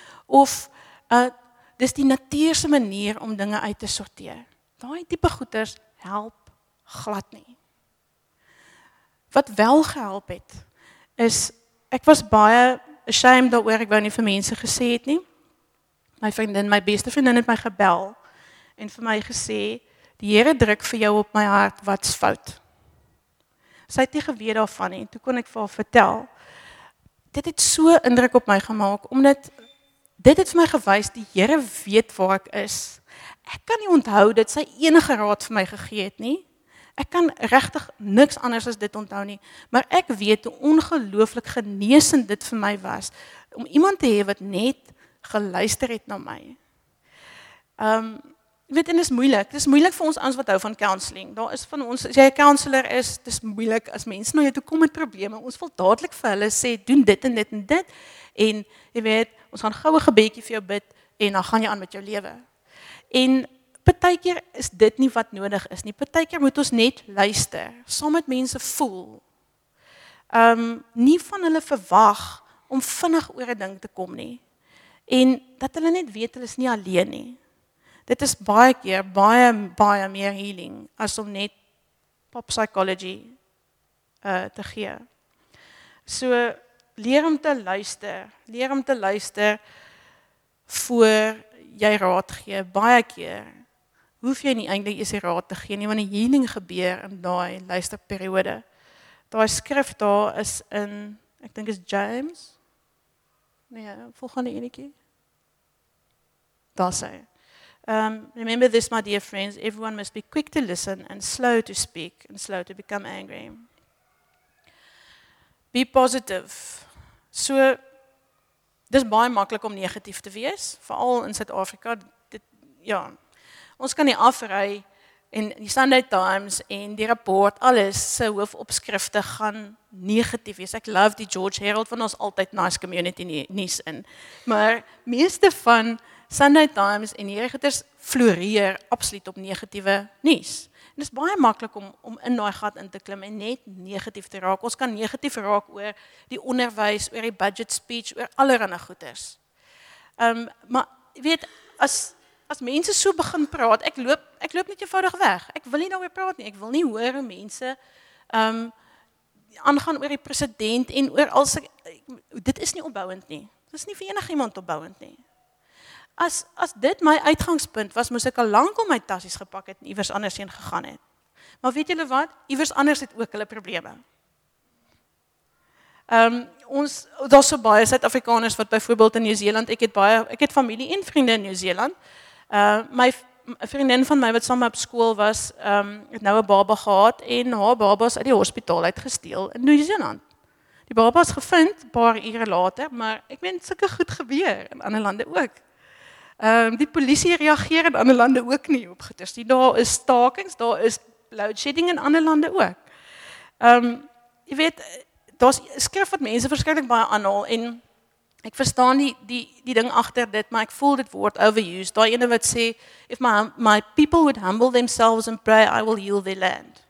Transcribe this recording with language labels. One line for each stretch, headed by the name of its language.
Afrikaans: Of dis die natuurse manier om dinge uit te sorteer. Daai tipe goeders help glad nie. Wat wel gehelp het, is ek was baie ashamed daaroor, ek wou nie vir mense gesê het nie. My vriendin, my beste vriendin het my gebel en vir my gesê, die Here druk vir jou op my hart, wat's fout? Sy het nie geweet daarvan nie, toe kon ek vir haar vertel. Dit het so indruk op my gemaak, omdat dit het vir my gewys, die Here weet waar ek is. Ek kan nie onthou dat sy enige raad vir my gegee het nie. Ek kan regtig niks anders as dit onthou nie. Maar ek weet hoe ongelooflik geneesend dit vir my was, om iemand te hê wat net geluister het na my. Weet, en dis moeilik. Dis moeilik vir ons ons wat hou van counseling. Daar is van ons, as jy 'n counselor is, dis moeilik as mense na jou toe kom met probleme. Ons wil dadelik vir hulle sê, doen dit en dit en dit. En jy weet, ons gaan gou 'n gebedjie vir jou bid en dan gaan jy aan met jou lewe. En partykeer is dit nie wat nodig is nie. Partykeer moet ons net luister, saam met mense voel. Nie van hulle verwag om vinnig oor 'n ding te kom nie. En dat hulle net weet hulle is nie alleen nie. Dit is baie keer baie baie meer healing as om net pop psychology te gee. So leer om te luister, leer om te luister voor jy raad gee. Baie keer hoef jy nie eintlik eers die raad te gee nie, want die healing gebeur in daai luisterperiode. Daai skrif daar is in, ek dink is James. Nee, volgende enetjie. Daar sê hy.
English: Remember this, my dear friends, everyone must be quick to listen and slow to speak and slow to become angry. Be positive.
Afrikaans: So, dis baie maklik om negatief te wees, veral in Suid-Afrika. Ja, ons kan nie afry en die Sunday Times en die rapport, alles se hoofopskrifte gaan negatief wees. Ek love die George Herald, want ons altyd nice community nuus in. Maar meeste van Sunday Times en hierdie goeters floreer absoluut op negatiewe nuus. En dit is baie maklik om in daai gat in te klim en net negatief te raak. Ons kan negatief raak oor die onderwys, oor die budget speech, oor allerhande goeters. Maar jy weet, as mense so begin praat, ek loop net eenvoudig weg. Ek wil nie daaroor praat nie. Ek wil nie hoor hoe mense aangaan oor die president en oor dit is nie opbouend nie. Dit is nie vir enigiemand opbouend nie. As dit my uitgangspunt was, moes ek al lank al my tassies gepak het en iewers andersheen gegaan het. Maar weet julle wat? Iewers anders het ook hulle probleme. Ons daar's so baie Suid-Afrikaners wat byvoorbeeld in Nieu-Seeland, ek het familie en vriende in Nieu-Seeland. My vriendin van my wat saam op skool was, het nou 'n baba gehad en haar baba's uit die hospitaal uitgesteel in Nieu-Seeland. Die baba's gevind 'n paar ure later, maar ek meen sulke goed gebeur in ander lande ook. Die polisie reageer in ander lande ook nie op goeders. Daar is stakings, daar is load shedding in ander lande ook. Jy weet, daar's 'n skrif wat mense verskriklik baie aanhaal en ek verstaan die ding agter dit, maar ek voel dit word overused. Daai ene wat sê,
English: if my people would humble themselves and pray, I will heal their land.